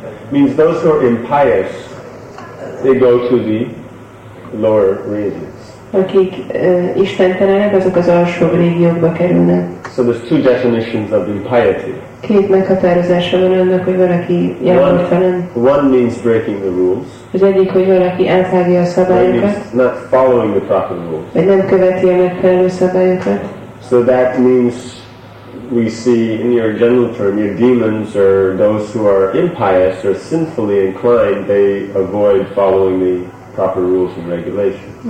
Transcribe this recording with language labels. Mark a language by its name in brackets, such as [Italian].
[English] Means those who are impious, they go to the lower regions. [Hungarian] Akik istentelenek, azok az alsó régiókba kerülnek. [English] So there's two definitions of impiety. [Hungarian] Két meghatározása van annak, hogy valaki jelentelen. [English] One means breaking the rules. [Hungarian] Az egyik, hogy valaki elvágja a szabályokat. [English] That means not following the proper rules. [Hungarian] Vagy nem követi a megfelelő szabályokat. [English] So that means we see in your general term, your demons or those who are impious or sinfully inclined, they avoid following the proper rules and regulations.